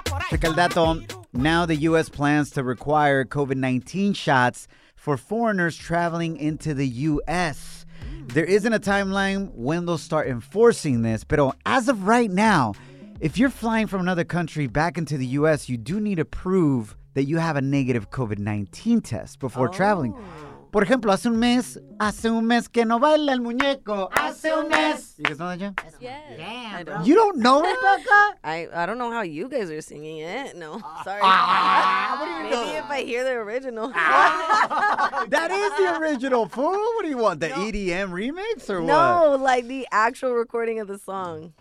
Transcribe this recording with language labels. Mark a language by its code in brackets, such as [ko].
[en] Check [es] el dato. [en] Now the U.S. plans to require COVID-19 shots for foreigners traveling into the U.S. There isn't a timeline when they'll start enforcing this, but as of right now, if you're flying from another country back into the U.S., you do need to prove that you have a negative COVID-19 test before traveling. [es] Por ejemplo, hace un mes que no baila el muñeco. Hace un mes. [en] You guys know that, Jen? Yes. Damn, bro. You don't know Rebecca? I don't know how you guys are singing it. No, sorry. What do you Maybe know? If I hear the original. That is the original, fool. What do you want, EDM remix or no, what? No, like the actual recording of the song.